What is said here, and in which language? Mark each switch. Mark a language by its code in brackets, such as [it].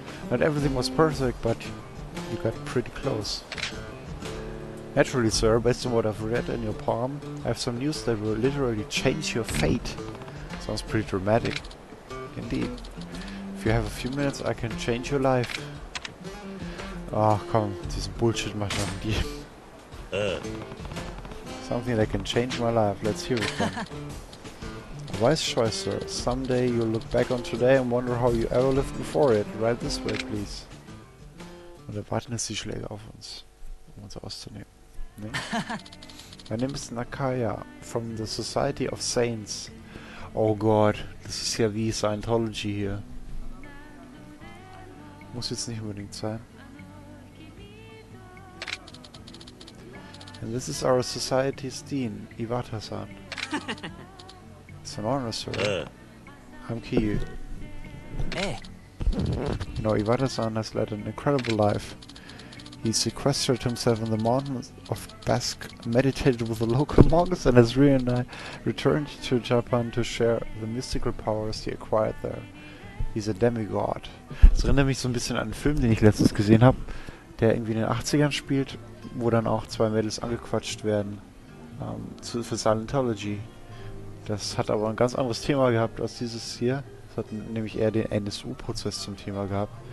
[en] Not everything was perfect, but you got pretty close. Naturally, sir, based on what I've read in your palm, I have some news that will literally change your fate. Sounds pretty dramatic. Indeed. If you have a few minutes, I can change your life. [de] Ach komm, diesen Bullshit mach ich mit dir. [en] Something that can change my life, let's hear it then. Wise choice, sir. Someday you'll look back on today and wonder how you ever lived before it. Right this way, please. [de] Und wir warten jetzt die Schläge auf uns, um uns auszunehmen. Nee? [en] My name is Nakaya, from the Society of Saints. [de] Oh Gott, das ist ja wie Scientology hier. Muss jetzt nicht unbedingt sein. [en] And this is our society's dean, Iwata-san. It's an armor sword. I'm Kiyu. Hey. You know, Iwata-san has led an incredible life. He sequestered himself in the mountains of Basque, meditated with the local monks, and has returned to Japan to share the mystical powers he acquired there. He's a demigod. [de] Das erinnert mich so ein bisschen an einen Film, den ich letztens gesehen habe, der irgendwie in den 80ern spielt, wo dann auch zwei Mädels angequatscht werden für Scientology. Das hat aber ein ganz anderes Thema gehabt als dieses hier. Es hat nämlich eher den NSU-Prozess zum Thema gehabt.